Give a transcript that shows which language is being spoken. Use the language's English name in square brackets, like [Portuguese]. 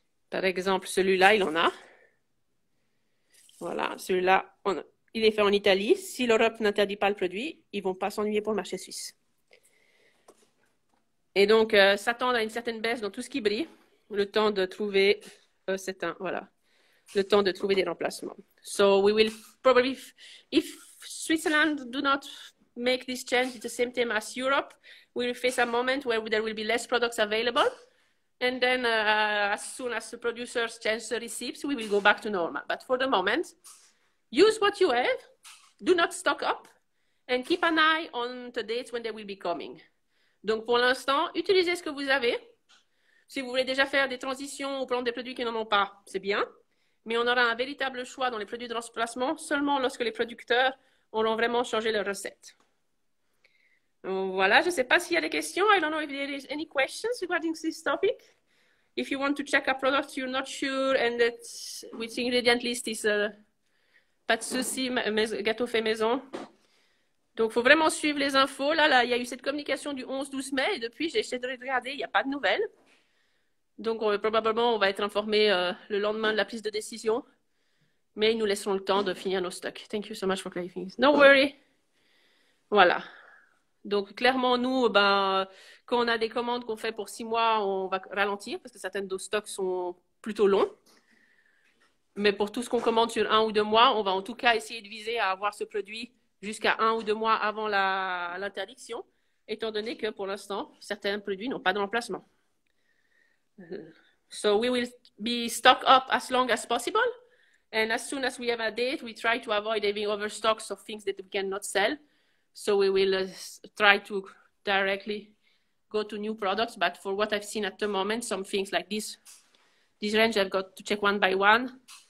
[French] Par exemple, celui-là, il en a. Voilà, celui-là, il est fait en Italie. Si l'Europe n'interdit pas le produit, ils ne vont pas s'ennuyer pour le marché suisse. Et donc, s'attendre à une certaine baisse dans tout ce qui brille, le temps de trouver cet un, voilà, le temps de trouver des remplacements. [English] So we will probably, if Switzerland do not make this change, it's the same thing as Europe, we will face a moment where there will be less products available. And then, as soon as the producers change the receipts, we will go back to normal. But for the moment, use what you have, do not stock up, and keep an eye on the dates when they will be coming. [French] Donc, pour l'instant, utilisez ce que vous avez. Si vous voulez déjà faire des transitions ou prendre des produits qui n'en ont pas, c'est bien. Mais on aura un véritable choix dans les produits de remplacement seulement lorsque les producteurs auront vraiment changé leurs recettes. Voilà, je ne sais pas s'il y a des questions. [English] I don't know if there is any questions regarding this topic. If you want to check a product you're not sure and that which ingredient list is [French] pas de souci, gâteau fait maison. Donc, il faut vraiment suivre les infos. Là, il y a eu cette communication du 11-12 mai et depuis, j'ai essayé de regarder, il n'y a pas de nouvelles. Donc, probablement, on va être informé le lendemain de la prise de décision. Mais ils nous laisseront le temps de finir nos stocks. [English] Thank you so much for clarifying. No worry. [French] Voilà. Donc, clairement, nous, ben, quand on a des commandes qu'on fait pour 6 mois, on va ralentir parce que certains de nos stocks sont plutôt longs. Mais pour tout ce qu'on commande sur 1 ou 2 mois, on va en tout cas essayer de viser à avoir ce produit jusqu'à 1 ou 2 mois avant l'interdiction, étant donné que pour l'instant, certains produits n'ont pas de remplacement. [English] So we will be stock up as long as possible. And as soon as we have a date, we try to avoid having overstocks of things that we cannot sell. So we will try to directly go to new products. But for what I've seen at the moment, some things like this range, I've got to check one by one.